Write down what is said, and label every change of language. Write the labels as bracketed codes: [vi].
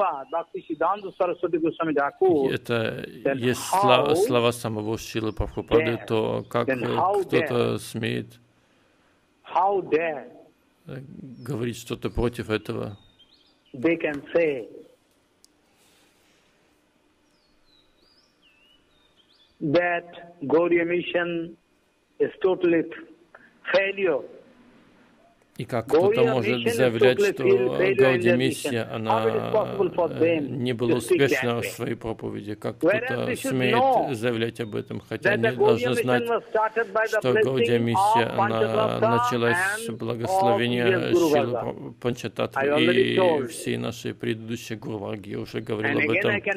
[ru] это есть слова самого Шрилы Прабхупады, то как кто-то смеет говорить что-то против этого? [en] They can say, that Gaudiya mission is totally failure. [ru] И как кто-то может заявлять, что Гауди миссия, она не была успешна в своей проповеди? Как кто-то смеет заявлять об этом? Хотя они должны знать, что Гауди миссия, она началась с благословения Шрилы Панчататвы и всей нашей предыдущей Гуруваги. Я уже говорил об этом.